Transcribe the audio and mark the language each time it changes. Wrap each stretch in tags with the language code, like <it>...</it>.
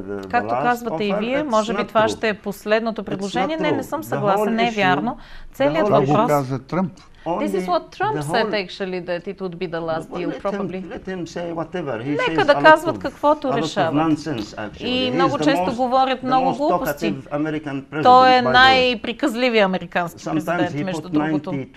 <bg>Както казвате и вие, може би това ще е последното предложение. Не, не съм съгласен, не е вярно. Целият въпрос... Това го каза Тръмп.</bg> <en>This is what Trump said, actually, that it would be the last deal, probably. Let him say whatever. He</en> <bg>Нека</bg> <en>says</en> <bg>да казват каквото решават.</bg> <en>Nonsense,</en> <bg>и много често говорят много глупости. Той е най-приказливия американски президент, между другото.</bg>